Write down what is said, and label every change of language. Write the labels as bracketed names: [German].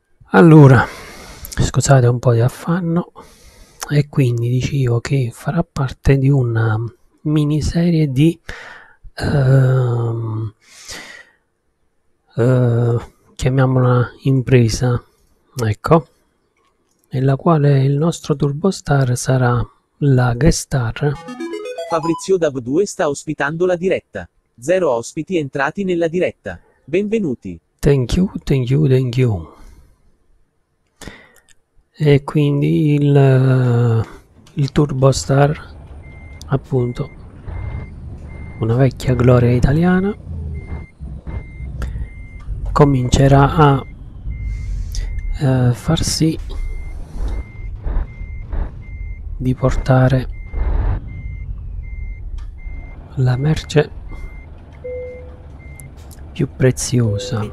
[Italian] Allora, scusate un po' di affanno. E quindi dicevo che farà parte di una miniserie di chiamiamola impresa, ecco, nella quale il nostro Turbostar sarà la guest star. Fabrizio DAV2 sta ospitando la diretta. Zero ospiti entrati nella diretta. Benvenuti. [English] Thank you, thank you, thank you. [Italian] E quindi il Turbostar, appunto, una vecchia gloria italiana, comincerà a farsi di portare la merce più preziosa